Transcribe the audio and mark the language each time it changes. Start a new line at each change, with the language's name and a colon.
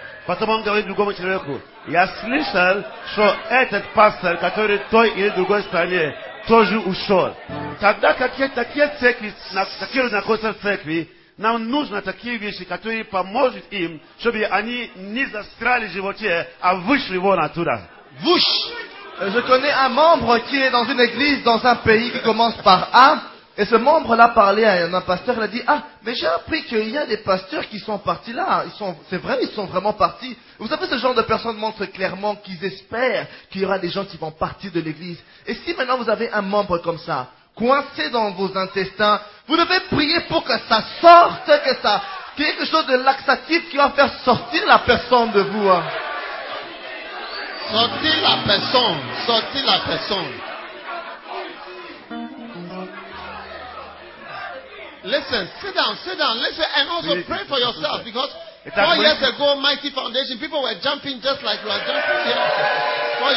Russian: Потом он говорит другому человеку, я слышал, что этот пастор, который в той или другой стране, тоже ушел. Тогда такие церкви, такие люди находятся в церкви, нам нужно такие вещи, которые помогут им, чтобы они не застряли в животе, а вышли вон оттуда. Вуш!
French: Je connais un membre qui est dans une église, dans un pays qui commence par A. Et ce membre-là parlait à un pasteur, il a dit, ah, mais j'ai appris qu'il y a des pasteurs qui sont partis là. C'est vrai, ils sont vraiment partis. Vous savez, ce genre de personnes montrent clairement qu'ils espèrent qu'il y aura des gens qui vont partir de l'église. Et si maintenant vous avez un membre comme ça, coincé dans vos intestins, vous devez prier pour que ça sorte, que ça, quelque chose de laxatif qui va faire sortir la personne de vous. Hein. Sortir la personne, sortir la personne.
English: Listen, sit down, listen, and also pray for yourself, because 4 years ago, Mighty Foundation, people were jumping just like you are jumping here.